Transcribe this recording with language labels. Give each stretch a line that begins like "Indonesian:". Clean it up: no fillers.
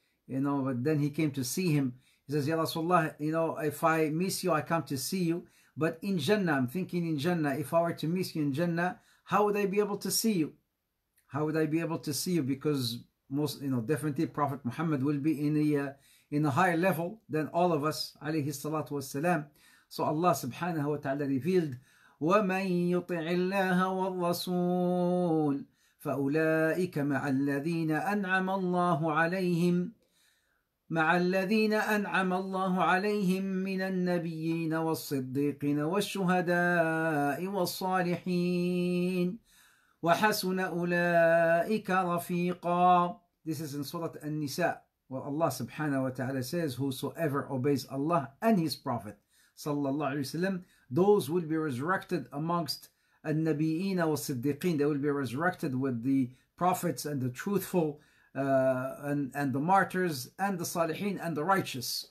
English: You know, but then he came to see him. He says, Ya Rasulullah, you know, if I miss you, I come to see you. But in Jannah, I'm thinking in Jannah, if I were to miss you in Jannah, how would I be able to see you? How would I be able to see you? Because most, you know, definitely Prophet Muhammad will be in a higher level than all of us, alayhi salatu wassalam. So Allah subhanahu wa ta'ala revealed,
Arabic: وَمَنْ يُطِعِ اللَّهَ وَالرَّسُولِ فَأُولَٰئِكَ مَعَ الَّذِينَ أَنْعَمَ اللَّهُ عَلَيْهِمْ مَعَ الَّذِينَ أَنْعَمَ اللَّهُ عَلَيْهِمْ مِنَ النَّبِيِّينَ وَالصِّدِّيقِينَ وَالشُّهَدَاءِ وَالصَّالِحِينَ وَحَسُنَ أُولَٰئِكَ رَفِيقًا.
English: This is in Surah An-Nisa. Well, Allah subhanahu wa ta'ala says, whosoever obeys Allah and his Prophet sallallahu alayhi wa sallam, those will be resurrected amongst al-Nabiyeen wa-Siddiqeen. They will be resurrected with the prophets and the truthful and the martyrs and the salihin and the righteous.